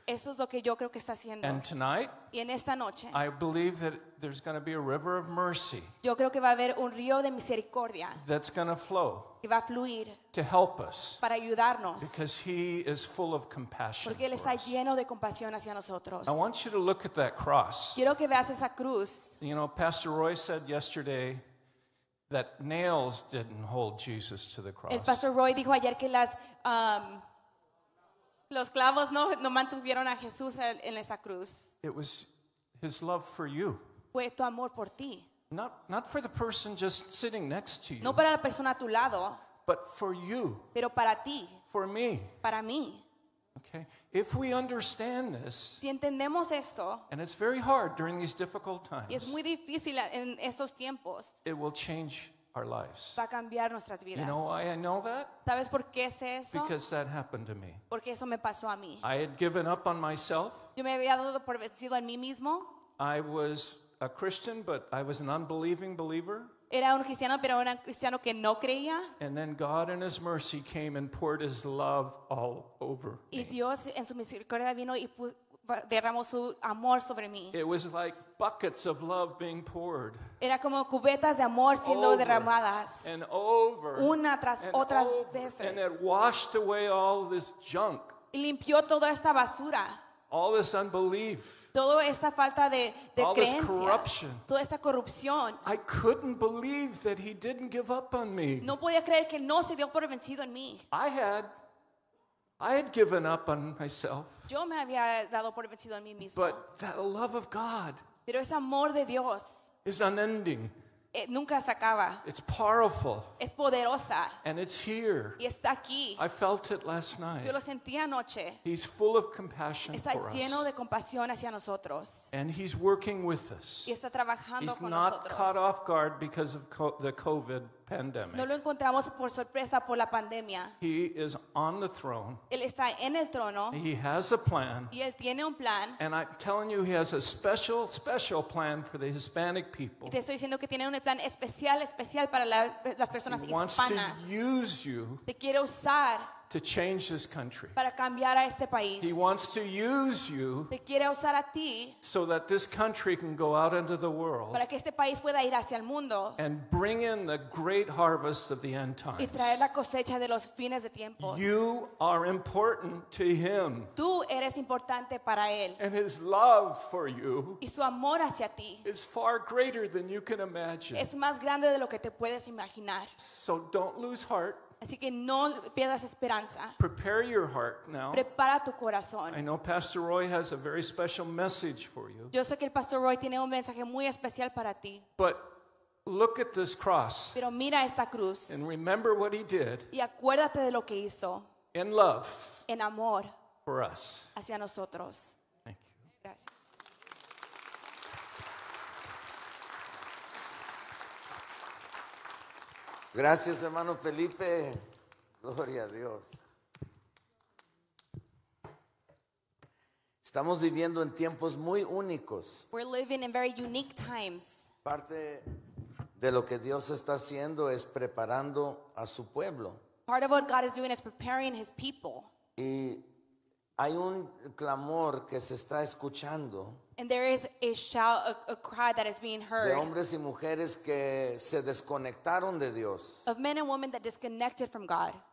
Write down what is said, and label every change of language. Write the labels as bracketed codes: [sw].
[es] Eso es lo que yo creo que está haciendo. [en] And tonight. [es] Y en esta noche. [en] I believe that there's going to be a river of mercy. [es] Yo creo que va a haber un río de misericordia. [en] That's going to flow. [es] Y va a fluir. [en] To help us. [es] Para ayudarnos. [en] Because He is full of compassion. [es] Porque Él está lleno de compasión hacia nosotros. [en] I want you to look at that cross. [es] Quiero que veas esa cruz. [en] You know, Pastor Roy said yesterday that nails didn't hold Jesus to the cross. [es] El Pastor Roy dijo ayer que los clavos no mantuvieron a Jesús en esa cruz. [en] It was His love for you. [es] Fue tu amor por ti. [en] Not for the person just sitting next to you. [es] No para la persona a tu lado. [en] But for you. [es] Pero para ti. [en] For me. [es] Para mí. [en] Okay. If we understand this. [es] Si entendemos esto. [en] And it's very hard during these difficult times. [es] Y es muy difícil en estos tiempos. [en] It will change our lives. [es] Va a cambiar nuestras vidas. [en] You know why I know that? [es] ¿Sabes por qué sé eso? [en] Because that happened to me. [es] Porque eso me pasó a mí. [en] I had given up on myself. [es] Yo me había dado por vencido en mí mismo. [en] I was a Christian, but I was an unbelieving believer. [es] Era un cristiano, pero era un cristiano que no creía. [en] And then God in His mercy came and poured His love all over me. [es] Y Dios en su misericordia vino y derramó su amor sobre mí. [en] It was like buckets of love being poured. [es] Era como cubetas de amor siendo [en] over [es] derramadas. [en] And over. [es] Una tras otra vez. [en] And it washed away all this junk. [es] Y limpió toda esta basura. [en] All this unbelief. [es] Toda esta falta de [en] all [es] creencia, [en] this corruption. [es] Toda esta corrupción. [en] I couldn't believe that He didn't give up on me. [es] No podía creer que no se dio por vencido en mí. [en] I had given up on myself. [es] Yo me había dado por vencido en mí mismo. [en] But that love of God. [es] Pero ese amor de Dios. [en] Is unending. [es] Nunca se acaba. [en] It's powerful. [es] Es poderosa. [en] And it's here. [es] Y está aquí. [en] I felt it last night. [es] Yo lo sentí anoche. [en] He's full of compassion [es] está [en] for [es] lleno [en] us. [es] De compasión hacia nosotros. [en] And He's working with us. [es] Y está trabajando [en] he's [es] con [en] not [es] nosotros. [en] Caught off guard because of the COVID pandemic. [es] No lo encontramos por sorpresa por la pandemia. [en] He is on the throne. [es] Él está en el trono. [en] He has a plan. [es] Y él tiene un plan. [en] And I'm telling you, He has a special, special plan for the Hispanic people. [es] Y te estoy diciendo que tiene un plan especial, especial para las personas hispanas. [en] He wants to use you. [es] Te quiere usar. [en] To change this country. [es] Para cambiar a este país. [en] He wants to use you. [es] Te quiere usar a ti. [en] So that this country can go out into the world. [es] Para que este país pueda ir hacia el mundo. [en] And bring in the great harvest of the end times. [es] Y traer la cosecha de los fines de tiempos. [en] You are important to Him. [es] Tú eres importante para Él. [en] And His love for you. [es] Y su amor hacia ti. [en] Is far greater than you can imagine. [es] Es más grande de lo que te puedes imaginar. [en] So don't lose heart. [es] Así que no pierdas esperanza. [en] Prepare your heart now. [es] Prepara tu corazón. [en] I know Pastor Roy has a very special message for you. [es] Yo sé que el Pastor Roy tiene un mensaje muy especial para ti. [en] But look at this cross. [es] Pero mira esta cruz. [en] And remember what He did. [es] Y acuérdate de lo que hizo. [en] In love. [es] En amor. [en] For us. [es] Hacia nosotros. [en] Thank you. [es] Gracias. Gracias, hermano Felipe. Gloria a Dios. Estamos viviendo en tiempos muy únicos. [en] We're living in very unique times. [es] Parte de lo que Dios está haciendo es preparando a su pueblo. [en] Part of what God is doing is preparing his people. [es] Y hay un clamor que se está escuchando. [en] And there is a shout, a cry that is being heard. [es] De hombres y mujeres que se desconectaron de Dios. [en] Of men and women that disconnected from God.